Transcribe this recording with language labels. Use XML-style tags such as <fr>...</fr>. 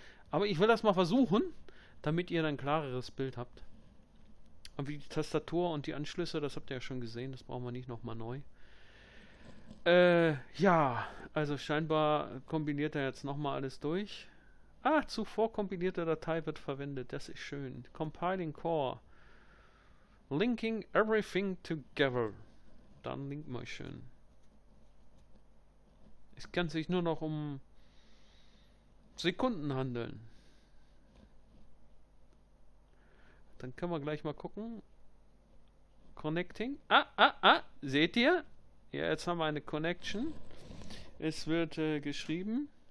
<de>Aber ich will das mal versuchen, damit ihr dann ein klareres Bild habt. Und wie die Tastatur und die Anschlüsse, das habt ihr ja schon gesehen, das brauchen wir nicht nochmal neu. Ja, also scheinbar kombiniert er jetzt nochmal alles durch. Ah, zuvor kompilierte Datei wird verwendet, das ist schön.</de> <en>Compiling Core. Linking everything together.</en> <de>Dann link mal schön. Es kann sich nur noch um Sekunden handeln. Dann können wir gleich mal gucken. Connecting. Seht ihr? Ja, jetzt haben wir eine Connection. Es wird geschrieben.</de>